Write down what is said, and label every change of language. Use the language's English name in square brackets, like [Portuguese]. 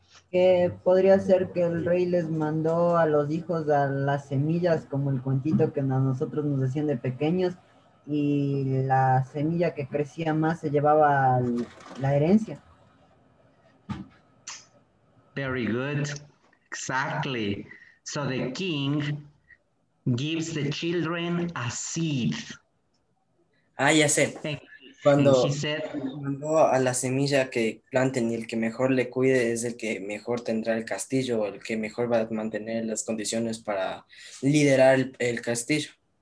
[Spanish] Que podría ser que el rey les mandó a los hijos a las semillas, como el cuentito que a nosotros nos decían de pequeños, y la semilla que crecía más se llevaba la herencia. [English] Very good. Exactly. So the king gives the children a seed. [Spanish] Ah, ya sé. Cuando mandó a la semilla que planten y el que mejor le cuide es el que mejor tendrá el castillo o el que mejor va a mantener las condiciones para liderar el castillo.